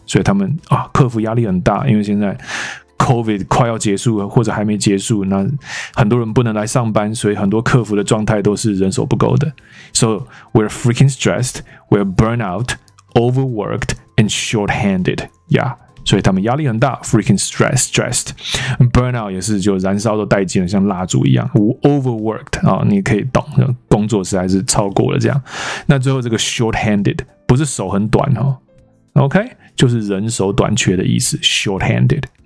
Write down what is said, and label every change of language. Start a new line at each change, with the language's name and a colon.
Chinese: 所以他们、啊、客服压力很大因为现在 COVID 快要结束或者还没结束那很多人不能来上班所以很多客服的状态都是人手不够的。
English: So we're freaking stressed, we're burnt out, overworked, and short-handed. Yeah.
Chinese: 所以他们压力很大
English: freaking stressed burnout
Chinese: 也是就燃烧都殆尽了像蜡烛一样 overworked、哦、你可以懂工作实在是超过了这样那最后这个 short-handed 不是手很短、哦、OK 就是人手短缺的意思 short-handed